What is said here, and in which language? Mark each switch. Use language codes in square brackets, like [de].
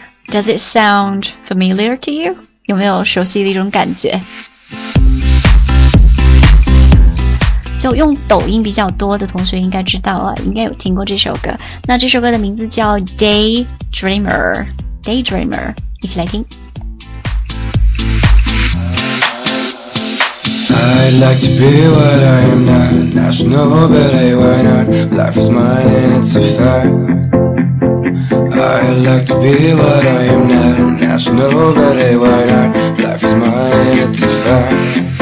[en] Does it sound familiar to you? [zh] 有没有熟悉的一种感觉？就用抖音比较多的同学应该知道啊，应该有听过这首歌。那这首歌的名字叫 Daydreamer， Daydreamer， 一起来听。 [en] I'd like to be what I am not. National ballet, why not? Life is mine and it's a fact. I'd like to be what I am not. National ballet, why not? Life is mine and it's a fact.